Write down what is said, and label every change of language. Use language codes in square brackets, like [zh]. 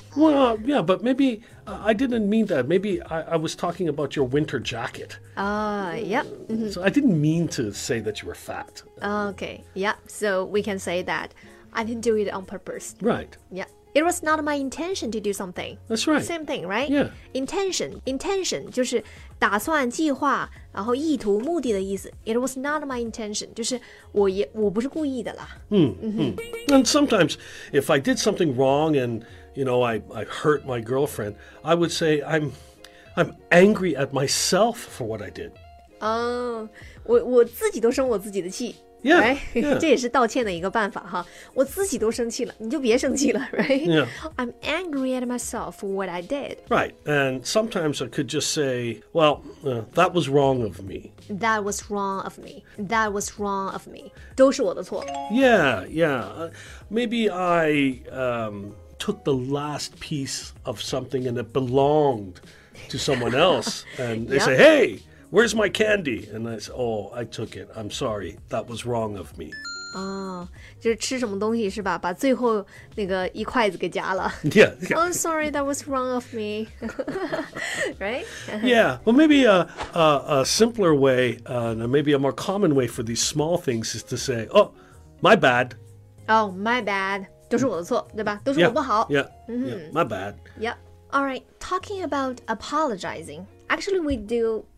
[en] Well, but maybe I didn't mean that. Maybe I was talking about your winter jacket. Yep. So I didn't mean to say that you were fat. Okay, yeah. So we can say that I didn't do it on purpose. Right. Yep. It was not my intention to do something. That's right. Same thing, right? Yeah. [zh] Intention, 就是打算、计划，然后意图、目的的意思。 It was not my intention, 就是我不是故意的啦。 [en] And sometimes, if I did something wrong and, you know, I hurt my girlfriend, I would say I'm angry at myself for what I did. [zh] Oh, 我自己都生我自己的气。 [en] Yeah, right? yeah. [zh] 这也是道歉的一个办法哈。我自己都生气了，你就别生气了 ，right? [en] Yeah. I'm angry at myself for what I did. Right, and sometimes I could just say, well, that was wrong of me. That was wrong of me. That was wrong of me. 都是我的错。 Yeah, yeah. Maybe I took the last piece of something and it belonged to someone else. And they say, hey, Where's my candy? And I said, oh, I took it. I'm sorry. That was wrong of me. [zh] 哦，就是吃什么东西是吧？把最后那个一筷子给夹了。 [en] Yeah, yeah. Oh, sorry. That was wrong of me. Right? Yeah. Well, maybe a simpler way, maybe a more common way for these small things is to say, oh, my bad. [zh] Oh, my bad. 都是我的错，对吧？都是我不好。 [en] Yeah, yeah, my bad. Yep. All right. Talking about apologizing. Actually, we do...